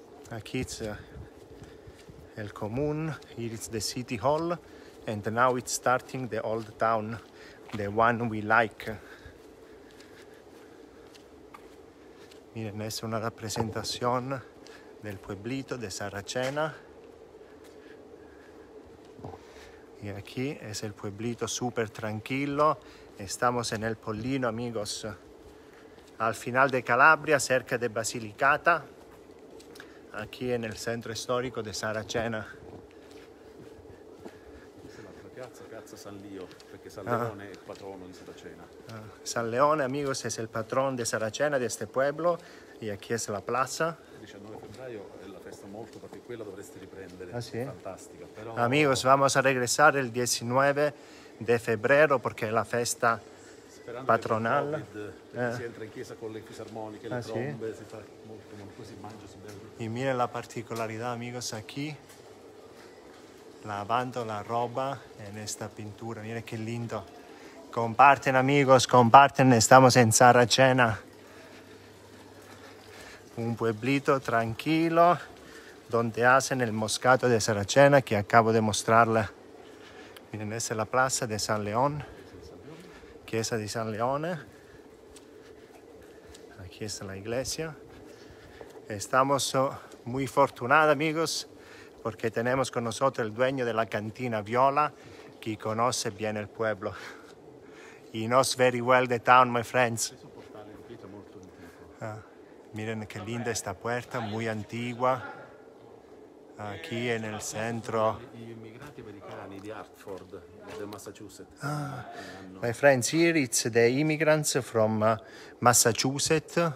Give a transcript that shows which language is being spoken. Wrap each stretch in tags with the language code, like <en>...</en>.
<es>Aquí</es> <en>it's</en> <es>el común,</es> <en>here it's the city hall, and now it's starting the old town, the one we like.</en> <es>Miren, es una representación del pueblito de Saracena. Y aquí es el pueblito súper tranquilo. Estamos en el Pollino, amigos. Al final de Calabria, cerca de Basilicata. Aquí en el centro histórico de Saracena.</es> <it>Questa è l'altra piazza, Piazza San Leo, perché San Leone è il patrono di Saracena.</it> <es>San Leone, amigos, es el patrón de Saracena, de este pueblo. Y aquí es la plaza.</es> <it>19 febbraio è la festa molto, perché quella dovresti riprendere. Ah, sì? Fantastica. Però...</it> <es>Amigos, vamos a regresar el 19 de febrero,</es> <it>perché è la festa sperando</it> <es>patronal.</es> <it>Che si entra in chiesa con le fisarmoniche, le trombe, sì? Si fa molto, molto, così mangia, si beve.</it> <es>Y miren la particolarità, amigos, aquí, lavando la roba en esta pintura. Miren qué lindo. Comparten, amigos, comparten, estamos en Saracena. Un pueblito tranquilo donde hacen el moscato de Saracena que acabo de mostrarla. Miren, esa es la plaza de San León, chiesa de San Leone. Aquí está la iglesia. Estamos muy fortunados, amigos, porque tenemos con nosotros el dueño de la cantina Viola, que conoce bien el pueblo.</es> <en>He knows very well the town, my friends.</en> <es>Miren qué linda esta puerta, muy antigua. Aquí en el centro.</es> <it>Immigrati americani di Hartford, del Massachusetts.</it> <en>My friends, here it's the immigrants from Massachusetts.</en>